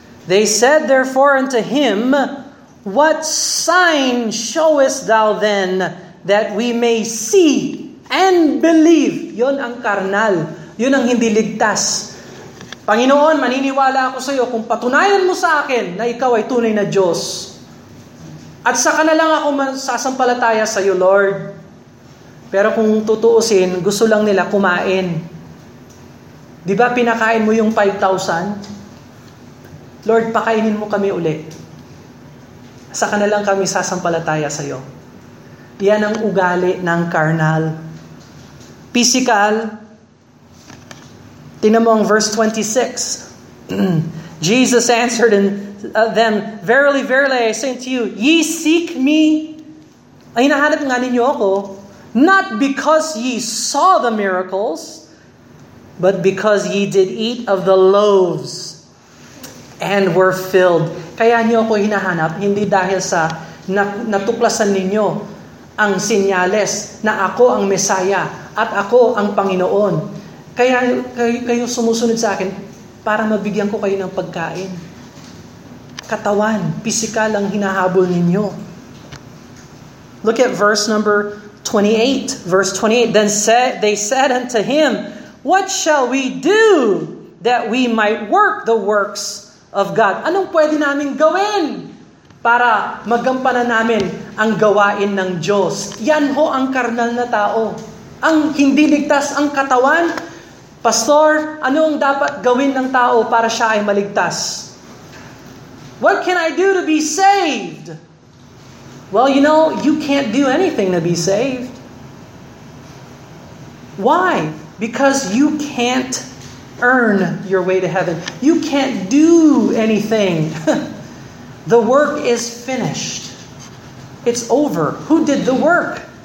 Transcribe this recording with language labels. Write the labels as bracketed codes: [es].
[en] They said therefore unto him, what sign showest thou then that we may see and believe? [tl] Yon ang karnal. Yon ang hindi ligtas. Panginoon, maniniwala ako sa iyo kung patunayan mo sa akin na ikaw ay tunay na Diyos. At sa kanila lang ako sasampalataya sa iyo, Lord. Pero kung tutuusin, gusto lang nila kumain. Di ba pinakain mo yung 5,000? Lord, pakainin mo kami ulit. Sa kanila lang kami sasampalataya sa iyo. Yan ang ugali ng karnal. Physical, tingnan mo ang verse 26. [en] Jesus answered and them, verily, verily, I say to you, ye seek me? [tl] Ay, hinahanap nga ninyo ako. [en] Not because ye saw the miracles, but because ye did eat of the loaves and were filled. [tl] Kaya niyo ako hinahanap, hindi dahil sa natuklasan ninyo ang sinyales na ako ang Mesiya at ako ang Panginoon. Kaya kayo sumusunod sa akin para mabigyan ko kayo ng pagkain. Katawan, pisikal ang hinahabol ninyo. [en] Look at verse number 28. Verse 28, then they said unto him, what shall we do that we might work the works of God? [tl] Anong pwede namin gawin para magampanan namin ang gawain ng Diyos? Yan ho ang karnal na tao. Ang hindi ligtas ang katawan. Pastor, ano ang dapat gawin ng tao para siya ay maligtas? [en] What can I do to be saved? Well, you know, you can't do anything to be saved. Why? Because you can't earn your way to heaven. You can't do anything. The work is finished. It's over. Who did the work?